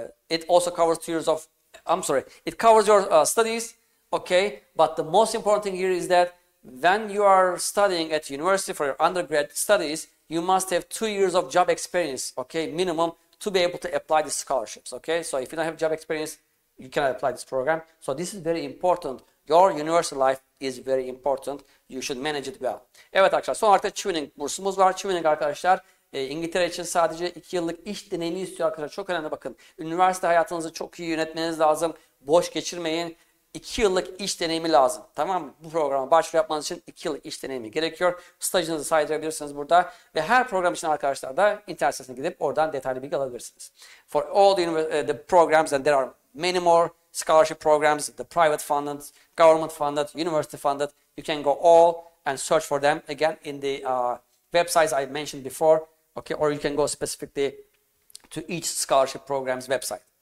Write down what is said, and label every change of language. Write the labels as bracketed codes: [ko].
[en] It also covers 2 years of, I'm sorry, it covers your studies, okay, but the most important thing here is that when you are studying at university for your undergrad studies, you must have 2 years of job experience, okay, minimum, to be able to apply these scholarships, okay, so if you don't have job experience, you cannot apply this program, so this is very important, your university life is very important, you should manage it well. [tr] Evet arkadaşlar, son olarak da tuning bursumuz var, tuning arkadaşlar. İngiltere için sadece 2 yıllık iş deneyimi istiyor arkadaşlar. Çok önemli bakın. Üniversite hayatınızı çok iyi yönetmeniz lazım. Boş geçirmeyin. 2 yıllık iş deneyimi lazım. Tamam mı? Bu programa başvuru yapmanız için 2 yıllık iş deneyimi gerekiyor. Stajınızı saydırabilirsiniz burada. Ve her program için arkadaşlar da internet sitesine gidip oradan detaylı bilgi alabilirsiniz. [en] For all the programs, and there are many more scholarship programs, the private funded, government funded, university funded. You can go all and search for them again in the websites I mentioned before. Okay, or you can go specifically to each scholarship program's website.